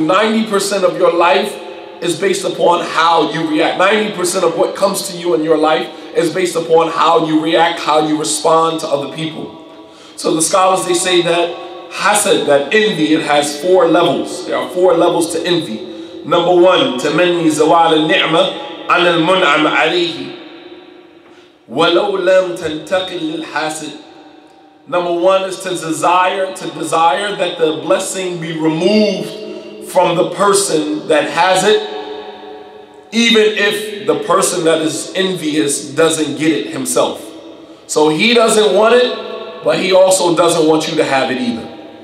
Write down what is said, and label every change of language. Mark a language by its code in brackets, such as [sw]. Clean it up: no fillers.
[en] 90% of your life is based upon how you react. 90% of what comes to you in your life is based upon how you react, how you respond to other people. So the scholars, they say that hasad, that envy, it has four levels. There are four levels to envy. Number one, [ar] تمني زوال النعمة عن المنعم عليه ولو لم تنتقل للحاسد. [en] Number one is to desire that the blessing be removed from the person that has it, even if the person that is envious doesn't get it himself. So he doesn't want it, but he also doesn't want you to have it either.